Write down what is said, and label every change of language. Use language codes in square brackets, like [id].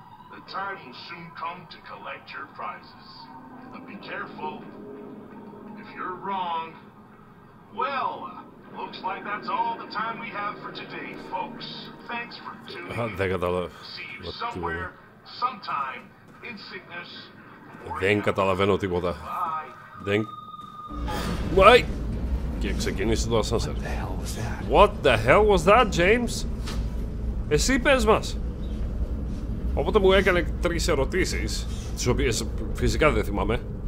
[en] The time will soon come to collect your prizes. But be careful. If you're wrong, well, looks like that's all the time we have for today, folks. Thanks for tuning in. See you somewhere, sometime, in sickness. [el] Δεν καταλαβαίνω τίποτα. Δεν. [en] Why? [el] Και ξεκίνησε το ασάνσερ. [en] What the hell was that, James? [el] Εσύ πες μας. Οπότε μου έκανε τρεις ερωτήσεις, τις οποίες φυσικά δεν θυμάμαι.